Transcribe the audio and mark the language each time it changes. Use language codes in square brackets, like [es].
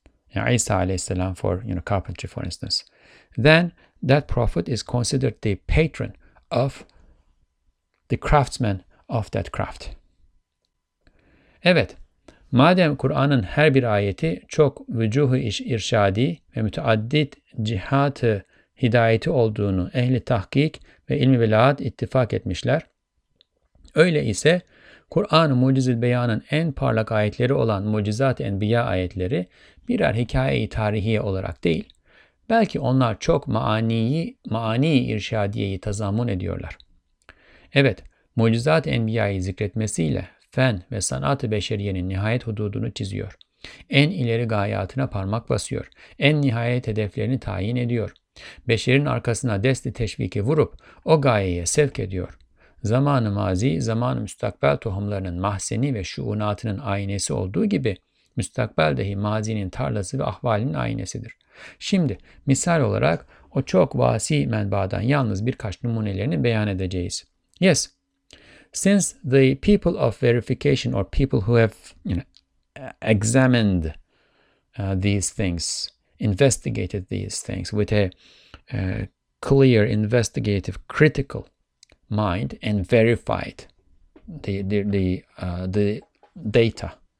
[en] You know, Isa alayhi salam for carpentry, for instance. Then that prophet is considered the patron of the craftsman of that craft. [tr] Evet, madem Kur'an'ın her bir ayeti çok vücuhu irşadi ve müteaddit cihatı hidayeti olduğunu ehli tahkik ve ilmi belaat ittifak etmişler, öyle ise Kur'an-ı Mucizül Beyan'ın en parlak ayetleri olan Mucizat-ı Enbiya ayetleri birer hikaye-i tarihiye olarak değil, belki onlar çok maani-i irşadiyeyi tazammun ediyorlar. Evet, Mucizat-ı Enbiya'yı zikretmesiyle fen ve sanat-ı beşeriyenin nihayet hududunu çiziyor. En ileri gayatına parmak basıyor. En nihayet hedeflerini tayin ediyor. Beşerin arkasına desti teşviki vurup o gayeye sevk ediyor. Zaman-ı mazi, zaman-ı müstakbel tohumlarının mahzeni ve şuunatının aynesi olduğu gibi, müstakbel dahi mazinin tarlası ve ahvalinin aynesidir. Şimdi, misal olarak o çok vasi menbaadan yalnız birkaç numunelerini beyan edeceğiz. [en] Yes, since the people of verification, or people who have examined these things, investigated these things with a clear, investigative, critical mind and verified the data